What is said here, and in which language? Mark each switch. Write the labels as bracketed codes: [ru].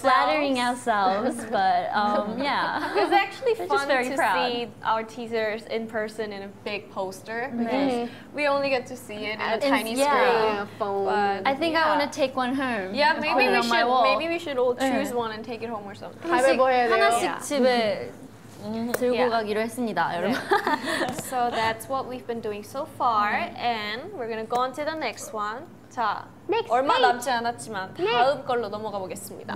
[en] Flattering ourselves, but yeah. It was actually fun to see our teasers in person in a big poster. Because we only get to see it in a tiny screen. Phone. I think I want to take one home. Yeah, maybe we should. Maybe we should all choose one and take it home or something. [ko] 하나씩 집에 들고 가기로 했습니다, 여러분. [en] So that's what we've been doing so far, and we're gonna go on to the next one. [ko] 자, [en] next [ko] 얼마 [en] page. [ko] 남지 않았지만 다음 걸로 넘어가 보겠습니다.